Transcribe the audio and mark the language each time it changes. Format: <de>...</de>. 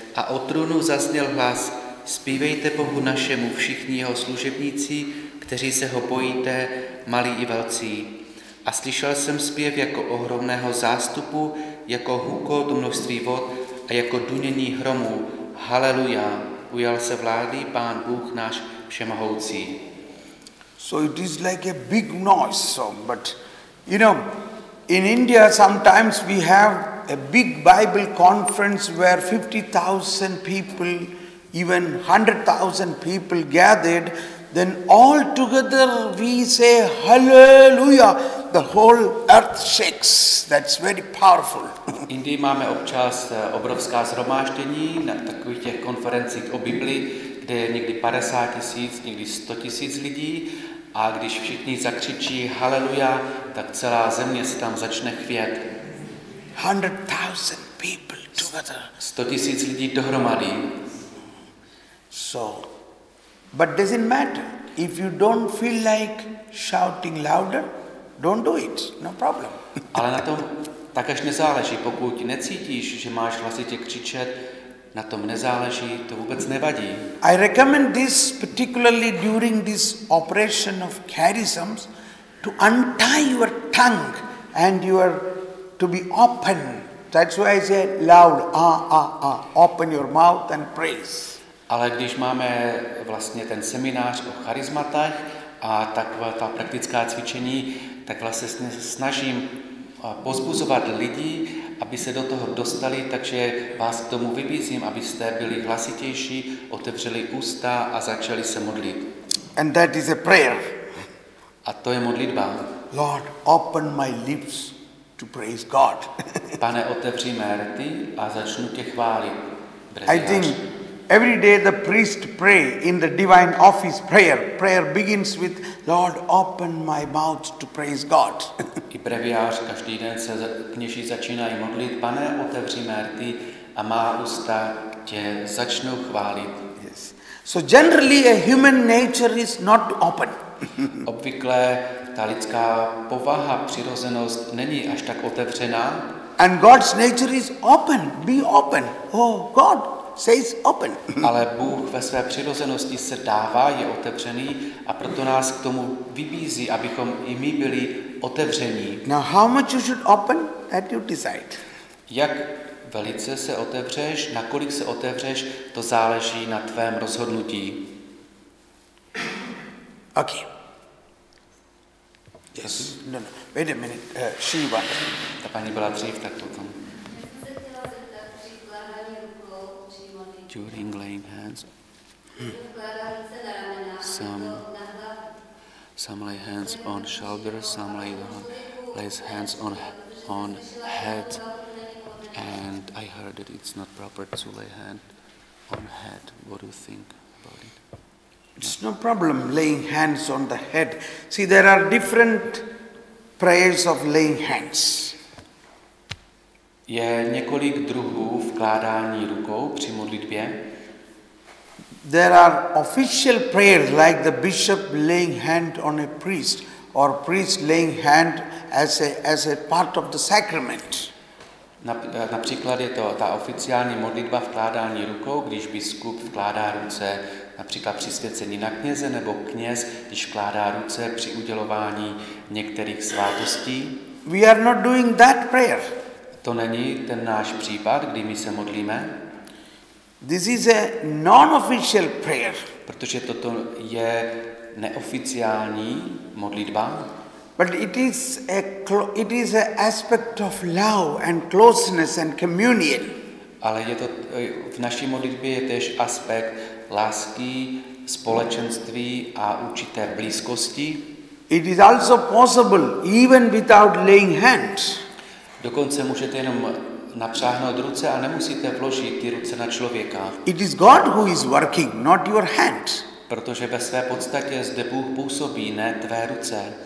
<cs>A od trůnu zazněl hlas: Zpívejte Bohu našemu, všichni jeho služebníci, kteří se ho bojíte, malí i velcí. A slyšel jsem zpěv jako ohromného zástupu, jako hukot množství vod a jako dunění hromů. Haleluja, ujal se vlády Pán Bůh náš všemohoucí.</cs> <en>So it is like a big noise, but you know, In India sometimes we have a big Bible conference where 50,000 people, even 100,000 people gathered, then all together we say hallelujah, the whole earth shakes. That's very powerful.</en> <cs>Indy máme občas obrovská shromáždění na takových těch konferencích o Biblii, kde je někdy 50 tisíc, někdy 100 tisíc lidí, a když všichni zakřičí haleluja, tak celá země se tam začne chvět.</cs> <en>100,000 people together.</en> <cs>100 tisíc lidí dohromady.</cs> <en>So, but doesn't matter if you don't feel like shouting louder, don't do it, no problem.</en> <cs>Ale na tom tak až nezáleží, pokud necítíš, že máš hlasitě křičet, na tom nezáleží, to vůbec nevadí.</cs> <en>I recommend this particularly during this operation of charisms to untie your tongue and your to be open. That's why I say loud, open your mouth and praise.</en> <cs>Ale když máme vlastně ten seminář o charismatech a taková ta praktická cvičení, tak vlastně snažím pozbuzovat lidi, aby se do toho dostali, takže vás k tomu vybízím, abyste byli hlasitější, otevřeli ústa a začali se modlit.</cs> <en>And that is a prayer.</en> <cs>A to je modlitba.</cs> <en>Lord, open my lips to praise God.</en> <cs>Pane, otevři mé rty a začnu tě chválit.</cs> <en>I think every day the priest pray in the divine office prayer. Prayer begins with Lord, open my mouth to praise God.</en> <cs>I breviář každý den se kněží začínají modlit, Pane, otevři mé rty a má ústa tě začnou chválit.</cs> <en>Yes. So generally a human nature is not open.</en> <cs>Obvykle ta lidská povaha, přirozenost není až tak otevřená.</cs> <en>And God's nature is open. Be open. Oh God says open.</en> <cs>Ale Bůh ve své přirozenosti se dává, je otevřený a proto nás k tomu vybízí, abychom i my byli otevření.</cs> <en>Now how much you should open, that you decide.</en> <cs>Jak velice se otevřeš, nakolik se otevřeš, to záleží na tvém rozhodnutí.</cs> <en>Okay. Yes. No. Wait a minute. Shiva.</en> <cs>Ta paní byla dřív, tak potom.</cs> <en>During laying hands, some lay hands on shoulders, some lays hands on head, and I heard that it's not proper to lay hand on head. What do you think about it? It's no problem laying hands on the head. See, there are different prayers of laying hands.</en> <cs>Je několik druhů vkládání rukou při modlitbě.</cs> <en>There are official prayers like the bishop laying hand on a priest or priest laying hand as a part of the sacrament.</en> <cs>Například je to ta oficiální modlitba vkládání rukou, když biskup vkládá ruce například při svěcení na kněze nebo kněz, když vkládá ruce při udělování některých svátostí.</cs> <en>We are not doing that prayer.</en> <cs>To není ten náš případ, kdy my se modlíme.</cs> <en>This is a non-official prayer.</en> <cs>Protože toto je neoficiální modlitba.</cs> <en>But it is a aspect of love and closeness and communion.</en> <cs>Ale je to v naší modlitbě je též aspekt lásky, společenství a určité blízkosti.</cs> <en>It is also possible even without laying hands.</en> <cs>Dokonce můžete jenom napřáhnout ruce a nemusíte vložit ty ruce na člověka.</cs> <en>It is God who is working, not your hand.</en> <cs>Protože ve své podstatě zde Bůh působí, ne tvé ruce.</cs>